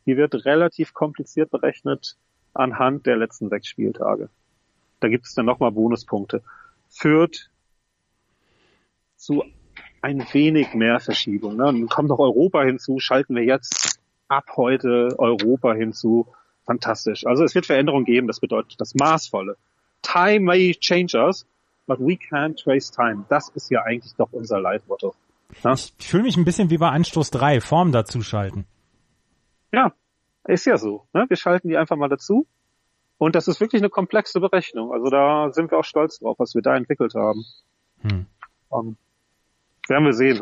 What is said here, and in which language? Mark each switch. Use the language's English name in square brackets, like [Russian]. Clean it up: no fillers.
[German] Die wird relativ kompliziert berechnet anhand der letzten 6 Spieltage. Da gibt es dann nochmal Bonuspunkte. Fürth, zu ein wenig mehr Verschiebung. Ne? Dann kommt noch Europa hinzu, schalten wir jetzt ab heute Europa hinzu. Fantastisch. Also es wird Veränderungen geben, das bedeutet das Maßvolle. [English] Time may change us, but we can't trace time. [German] Das ist ja eigentlich doch unser Leitmotto. Ne? Ich fühle mich ein bisschen wie bei Anstoß 3, Form dazu schalten. Ja, ist ja so. Ne? Wir schalten die einfach mal dazu. Und das ist wirklich eine komplexe Berechnung. Also da sind wir auch stolz drauf, was wir da entwickelt haben. Hm. Werden wir sehen.